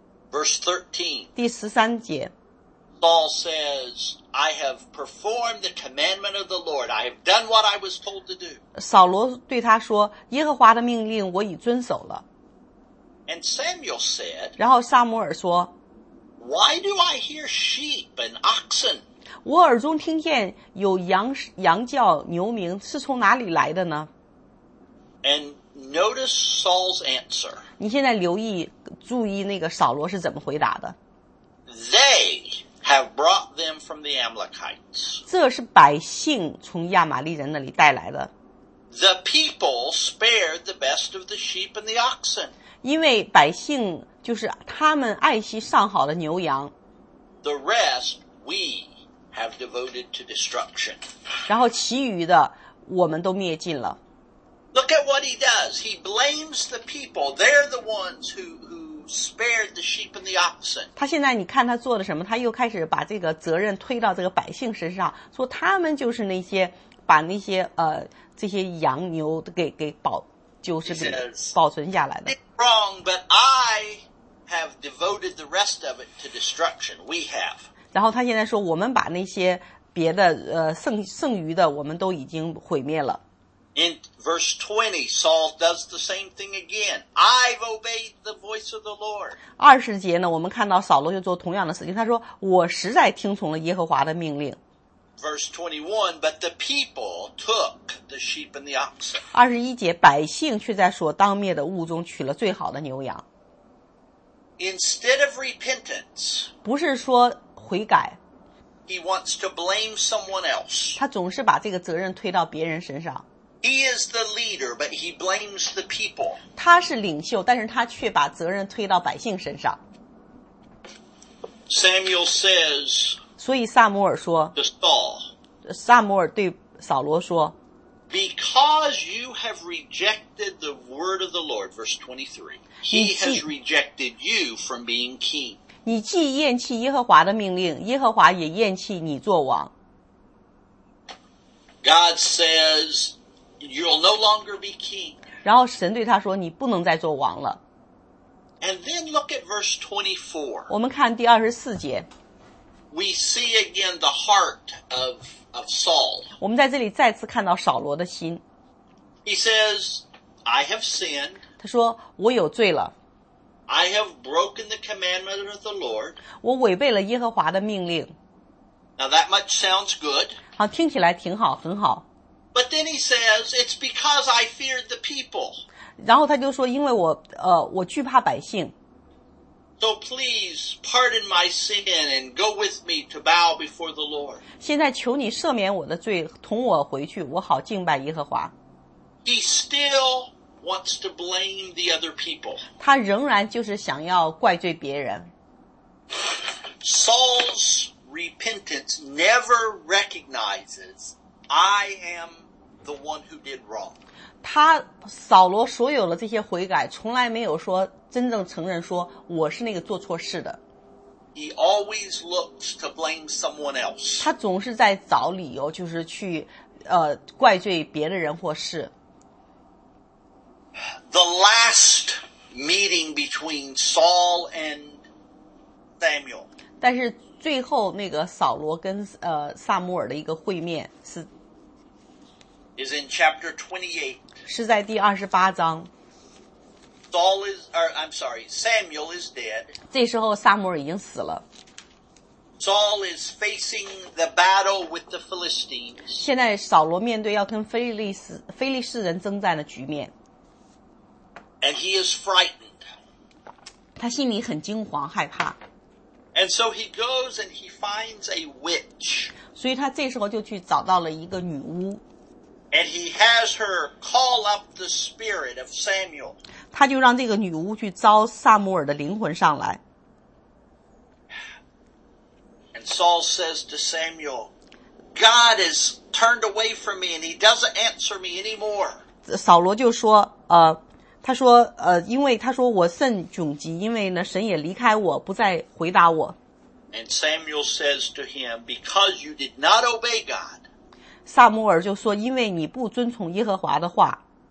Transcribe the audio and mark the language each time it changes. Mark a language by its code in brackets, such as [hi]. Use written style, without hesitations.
[en] Verse 13. [zh] 第十三节。 [en] Saul says, "I have performed the commandment of the Lord. I have done what I was told to do." [zh] 扫罗对他说，耶和华的命令我已遵守了。 [en] And Samuel said, [zh] 然后撒母耳说 [en] Why do I hear sheep and oxen? [zh] 我耳中听见有羊叫牛鸣是从哪里来的呢 [en] And notice Saul's answer. [zh] 你现在留意注意那个扫罗是怎么回答的 [en] They have brought them from the Amalekites. [zh] 这是百姓从亚玛力人那里带来的。 [en] The people spared the best of the sheep and the oxen. [zh] 因为百姓就是他们爱惜上好的牛羊。 [en] The rest we have devoted to destruction. [zh] 然后其余的我们都灭尽了。 [en] Look at what he does. He blames the people. They're the ones who spared the sheep and the oxen. [zh] 他现在你看他做了什么，他又开始把这个责任推到这个百姓身上，说他们就是那些把那些这些羊牛给保就是给保存下来的。 [en] Wrong, but I have devoted the rest of it to destruction. We have. [zh] 然后他现在说，我们把那些别的剩余的，我们都已经毁灭了。 [en] In verse 20, Saul does the same thing again. I've obeyed the voice of the Lord. [zh] 二十节呢，我们看到扫罗就做同样的事情。他说，我实在听从了耶和华的命令。 [en] Verse 21, but the people took the sheep and the oxen. [zh] 21节，百姓却在所当灭的物中取了最好的牛羊。 [en] Instead of repentance, [zh] 不是说悔改。 [en] He wants to blame someone else. [zh] 他总是把这个责任推到别人身上。 [en] He is the leader, but he blames the people. [zh] 他是领袖，但是他却把责任推到百姓身上。 [en] Samuel says, [zh] 所以撒母耳说，撒母耳对扫罗说 [en] ，Because you have rejected the word of the Lord, verse 23, he has rejected you from being king. [zh] 你既厌弃耶和华的命令，耶和华也厌弃你做王。 [en] God says you'll no longer be king. [zh] 然后神对他说，你不能再做王了。 [en] And then look at verse 24. [zh] 我们看第二十四节。 [en] We see again the heart of Saul. [zh] 我们在这里再次看到扫罗的心。 [en] He says, I have sinned. [zh] 他说，我有罪了。 [en] I have broken the commandment of the Lord. [zh] 我违背了耶和华的命令。 [en] Now that much sounds good. [zh] 好，听起来挺好，很好。 [en] But then he says, it's because I feared the people. [zh] 然后他就说，因为我惧怕百姓。 [en] So please pardon my sin and go with me to bow before the Lord. [zh] 现在求你赦免我的罪，同我回去，我好敬拜耶和华。 [en] He still wants to blame the other people. [zh] 他仍然就是想要怪罪别人。 [en] Saul's repentance never recognizes I am the one who did wrong. [zh] 他扫罗所有的这些悔改，从来没有说真正承认说我是那个做错事的。 [en] He always looks to blame someone else. [zh] 他总是在找理由，就是去怪罪别的人或事。 [en] The last meeting between Saul and Samuel. [zh] 但是最后那个扫罗跟撒母耳的一个会面是 [en] is in chapter 28. [zh] 是在第28章。 [en] Saul is, or I'm sorry, Samuel is dead. [zh] 这时候撒母耳已经死了。 [en] Saul is facing the battle with the Philistines. [zh] 现在扫罗面对要跟非利士人征战的局面。 [en] And he is frightened. [zh] 他心里很惊慌，害怕。 [en] And so he goes and he finds a witch. [zh] 所以他这时候就去找到了一个女巫。 [en] And he has her call up the spirit of Samuel. [zh] 他就让这个女巫去招撒母耳的灵魂上来。 [en] And Saul says to Samuel, God has turned away from me and he doesn't answer me anymore. [zh] 扫罗就说他说因为他说我甚窘急，因为呢神也离开我，不再回答我。 [en] And Samuel says to him, because you did not obey God. [zh] 撒母耳就说因为你不遵从耶和华的话。